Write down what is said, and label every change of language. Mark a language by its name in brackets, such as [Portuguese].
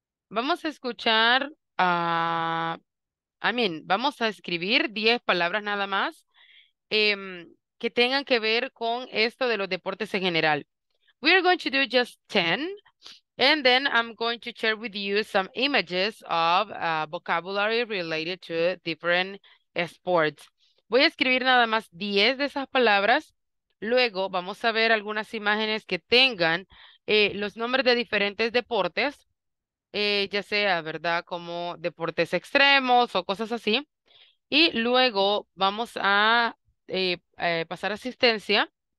[Spanish] Vamos a escuchar, vamos a escribir 10 palabras nada más que tengan que ver con esto de los deportes en general. [English] We are going to do just 10, and then I'm going to share with you some images of vocabulary related to different sports. [Spanish] Voy a escribir nada más 10 de esas palabras, luego vamos a ver algunas imágenes que tengan los nombres de diferentes deportes, ya sea, ¿verdad?, como deportes extremos o cosas así. Y luego vamos a pasar asistencia.